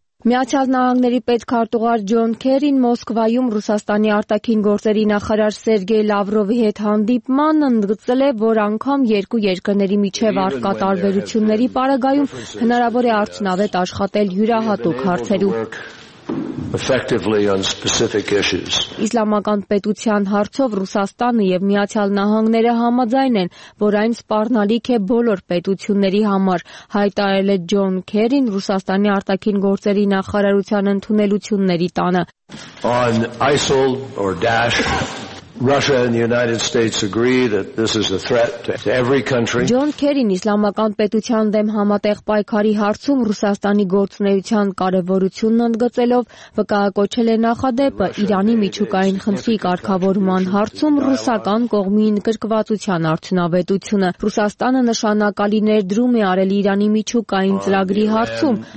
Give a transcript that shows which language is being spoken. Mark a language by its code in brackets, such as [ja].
[hy] Միացյալ Նահանգների պետքարտուղար Ջոն Քերին Մոսկվայում Ռուսաստանի արտաքին գործերի նախարար Սերգեյ Լավրովի հետ հանդիպմանն ընդգծել է, որ անգամ երկու երկրների միջև առկա տարբերությունների պարագայում հնարավոր է արդյունավետ աշխատել յուրահատուկ հարցերում. [en] Effectively on specific issues. [hy] Իսլամական պետության հարցով Ռուսաստանը եւ Միացյալ Նահանգները համաձայն են, որ այն սպառնալիք է բոլոր պետությունների համար, հայտարարել է Ջոն Քերին Ռուսաստանի արտաքին գործերի նախարարության ընդունելությունների տանը. [en] On ISIL or Daesh, Russia and the United States agree that this is a threat to every country. [hy] Ջոն Քերին իսլամական պետության դեմ համատեղ պայքարի հարցում Ռուսաստանի գործունեության կարևորությունն ընդգծելով վկայակոչել է նախադեպը Իրանի միջուկային խնդրի կարգավորման հարցում ռուսական կողմի ընկրկվածության արդյունավետությունը։ Ռուսաստանը նշանակալի ներդրում է արել Իրանի միջուկային ծրագրի հարցում,